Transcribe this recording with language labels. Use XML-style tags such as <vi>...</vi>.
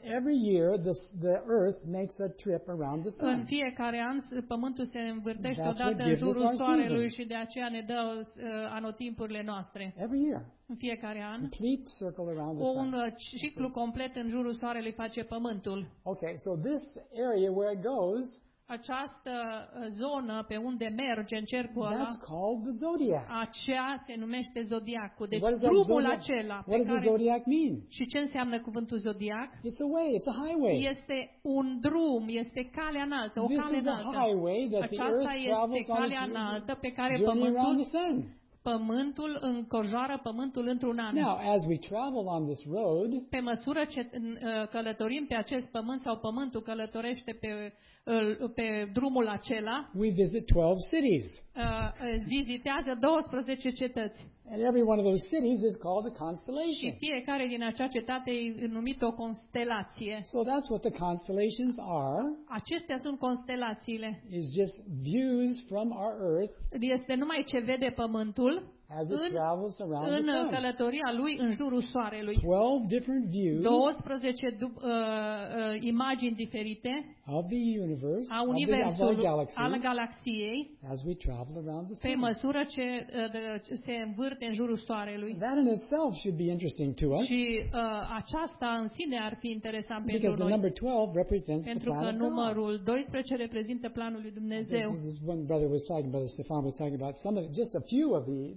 <en>Every year the earth makes a trip around the sun.</en> <ro>În fiecare an pământul se învârtește o dată în jurul soarelui și de aceea ne dă anotimpurile noastre.</ro> <en>Every year.</en> <ro>În fiecare an.</ro> <en>Complete circle around the sun.</en> <ro>Un ciclu complet în jurul soarelui face pământul.</ro> <en>Okay, so this area where it goes,</en> <ro>această zonă pe unde merge în cercul ăla,</ro> <en>that's called the zodiac.</en> <ro>Aceea se numește zodiacul. Deci drumul acela.</ro> <en>What does the zodiac mean?</en> <ro>Și ce înseamnă cuvântul zodiac?</ro> <en>It's a way, it's a highway.</en> <ro>Este un drum, este calea înaltă, o</ro> <en>this</en> <ro>cale înaltă.</ro> <en>The highway that</en> <ro>aceasta</ro> <en>the earth</en> <ro>este calea înaltă pe care pământul încojoară pământul într-un an.</ro> <en>Now, as we travel on this road,</en> <ro>pe măsură ce călătorim pe acest pământ sau pământul călătorește pe drumul acela,</ro> <en>we visit 12 cities.</en> <ro>Vizitează 12 cetăți.</ro> <en>And every one of those cities is called a constellation.</en> <ro>Și fiecare din acea cetate e numită o constelație.</ro> <en>So that's what the constellations are.</en> <ro>Acestea sunt constelațiile.</ro> <en>It's just views from our earth.</en> <ro>Este numai ce vede pământul.</ro> <en>as it travels around</en> <ro>în</ro> <en>the sun.</en> <ro>Călătoria lui în jurul soarelui.</ro> <en>12 different views.</en> <ro>12 imagini diferite.</ro> <en>Of the universe.</en> <ro>A universului, al galaxiei.</ro> <en>As we travel around the sun.</en> <ro>Pe măsură ce se învârte în jurul soarelui.</ro> <en>That in itself should be interesting to us.</en> <ro>Și aceasta în sine ar fi interesant pentru noi.</ro> <en>Because the number 12 represents the plan.</en> <ro>Pentru că numărul 12 reprezintă planul lui Dumnezeu.</ro> <en>This is one brother was talking, brother Stefan was talking about some of it, just a few of the</en>